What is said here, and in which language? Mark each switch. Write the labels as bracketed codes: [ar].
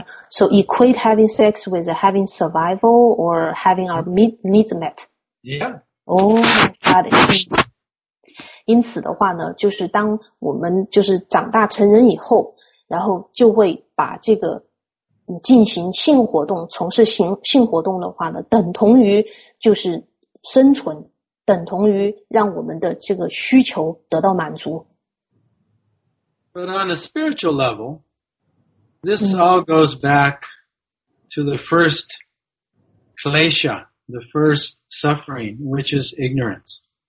[en] So equate having sex with having survival or having our needs met. Yeah. Got it. [zh] 因此的话呢，就是当我们就是长大成人以后，然后就会把这个进行性活动，从事性活动的话呢，等同于就是生存，等同于让我们的这个需求得到满足。 [en] But on a spiritual level, this all goes back to the first klesha, the first suffering, which is ignorance.